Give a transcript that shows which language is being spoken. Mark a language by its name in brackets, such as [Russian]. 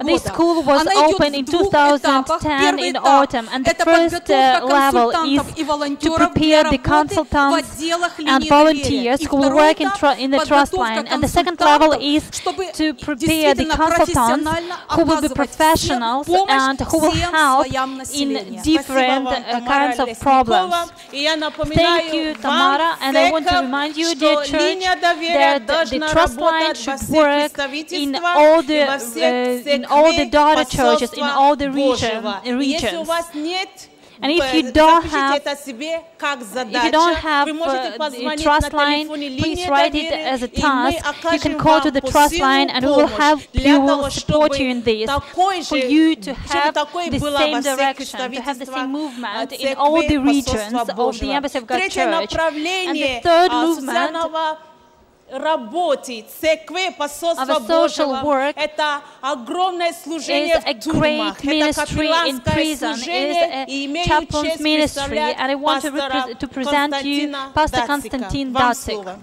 [Russian] Она идет в двух этапах. Первый этап – это подготовка консультантов и волонтеров для работы в отделах линии доверия. И второй этап – подготовка консультантов, чтобы профессионально оказывать всем слоям населения. Спасибо вам, Тамара Лесникова. [English] Thank you, Tamara, and I want to remind you, dear church, that the trust line should work in all the daughter churches, in all the regions. And if you don't have, the trust line, please write it as a task. You can call to the trust line and we will support you in this. For you to have the same direction, to have the same movement in all the regions of the Embassy of God Church. And the third movement [Russian] работы церкви посольства Божьего – это огромное служение в тюрьмах, это капелланское служение, и имею честь представлять пастора Константина Дасика.